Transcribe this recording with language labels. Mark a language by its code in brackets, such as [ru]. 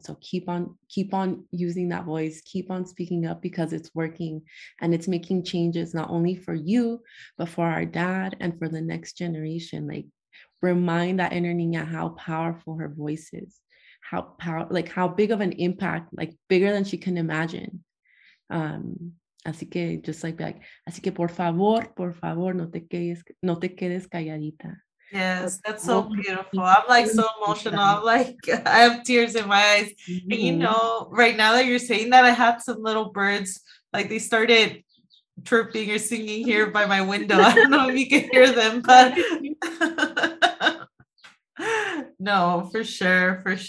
[en] So keep on using that voice, keep on speaking up, because it's working and it's making changes, not only for you, but for our dad and for the next generation. Like, remind that inner niña how powerful her voice is, how big of an impact, like, bigger than she can imagine. [es] Así que por favor, no te quedes calladita. [en] Yes, that's so beautiful. I'm like so emotional. I'm like, I have tears in my eyes. Mm-hmm. And you know, right now that you're saying that, I had some little birds, like, they started chirping or singing here by my window. I don't know if you can hear them, but no, for sure.